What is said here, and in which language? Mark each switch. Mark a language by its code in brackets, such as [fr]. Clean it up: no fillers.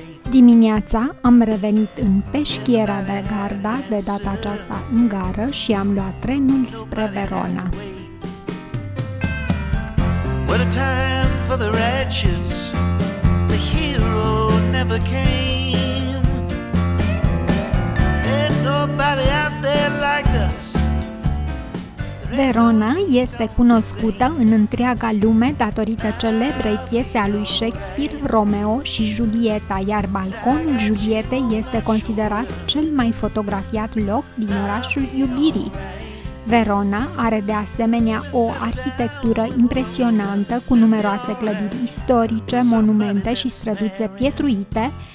[ro] Dimineața am revenit în Peschiera de Garda, de data aceasta în gară, și am luat trenul spre Verona. [en] What a time for the wretches, the hero never came, and nobody out there like us. [ro] Verona este cunoscută în întreaga lume datorită celebrei piese a lui Shakespeare, Romeo și Julieta, iar balconul Julietei este considerat cel mai fotografiat loc din orașul iubirii. Verona are de asemenea o arhitectură impresionantă, cu numeroase clădiri istorice, monumente și străduțe pietruite.